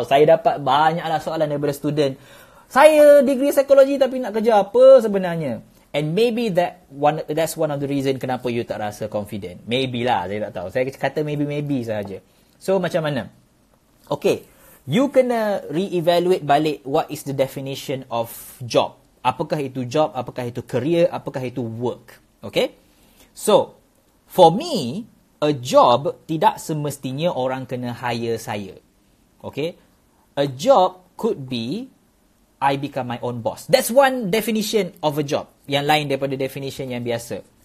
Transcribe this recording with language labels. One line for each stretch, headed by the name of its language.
Malay: Oh, saya dapat banyaklah soalan daripada student. Saya degree psikologi tapi nak kerja apa sebenarnya?
English: And maybe that's one of the reason
Malay: kenapa you tak rasa confident. Maybe lah, saya tak tahu. Saya kata maybe sahaja. So, macam mana? Okay.
English: You kena re-evaluate balik what is the definition of job.
Malay: Apakah itu job, apakah itu career, apakah itu work. Okay?
English: So, for me, a job
Malay: tidak semestinya orang kena hire saya. Okay?
English: A job could be I become my own boss. That's one definition of a job.
Malay: Yang lain daripada definition yang biasa.